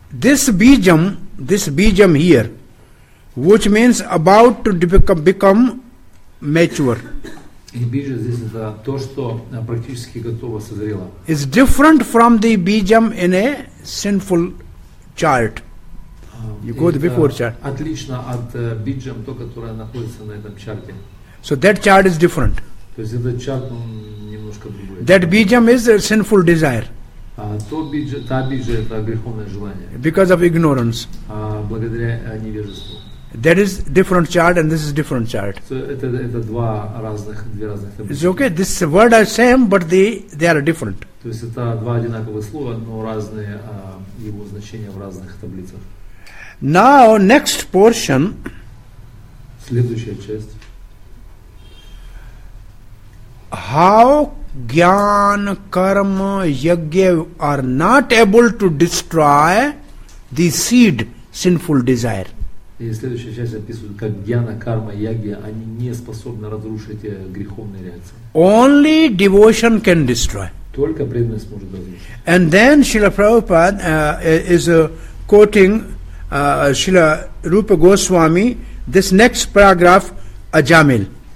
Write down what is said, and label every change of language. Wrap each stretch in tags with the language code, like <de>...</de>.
<en>This bijam here, which means about to become mature.</en> <ru>И бижа здесь это то, что практически готово, созрело.</ru> <en>It's different from the bijam in a sinful chart. You go the before chart.</en> <ru>Отлично от биджам, то, которое находится на этом чарте.</ru> <en>So that chart is different.</en> <ru>То есть этот чарт, он немножко другой.</ru> <en>That bijam is a sinful desire.</en> <ru>Та бижа это греховное желание.</ru> <en>Because of ignorance.</en> <ru>Благодаря невежеству.</ru> <en>That is different chart and this is different chart.</en> <ru>So это два разных, две разных таблицы.</ru> <en>It's okay, this word are same, but they are different.</en> <ru>То есть это два одинаковых слова, но разные его значения в разных таблицах.</ru> <en>Now, next portion.</en> <ru>Следующая часть.</ru> <en>How gyan, karma, yagya are not able to destroy the seed, sinful desire.</en> <ru>И следующая часть описывает, как гьяна, карма, ягья, они не способны разрушить греховные реакции.</ru> <en>Only devotion can destroy.</en> <ru>Только преданность может разрушить.</ru> <en>And then Srila Prabhupada is quoting Srila Rupa Goswami, this next paragraph, Ajamil.</en>